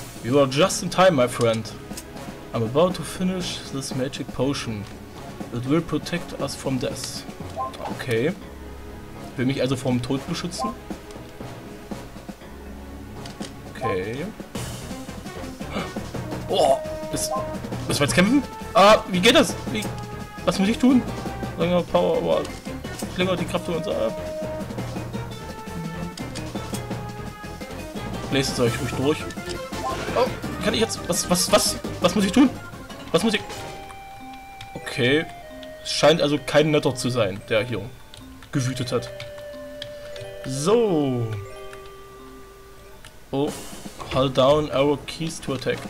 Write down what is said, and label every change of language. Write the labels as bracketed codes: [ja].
[en] You are just in time, my friend. I'm about to finish this magic potion. It will protect us from death. Okay. [de] Will mich also vor dem Tod beschützen? Okay. Oh, müssen wir jetzt kämpfen? Ah, wie geht das? Was muss ich tun? Länger Power, aber länger die Kraft für uns ab. Lest es euch ruhig durch. Oh, kann ich jetzt? Was muss ich tun? Was muss ich? Okay, es scheint also kein Netter zu sein, der hier gewütet hat. So. Oh. [en] Hold down arrow keys to attack.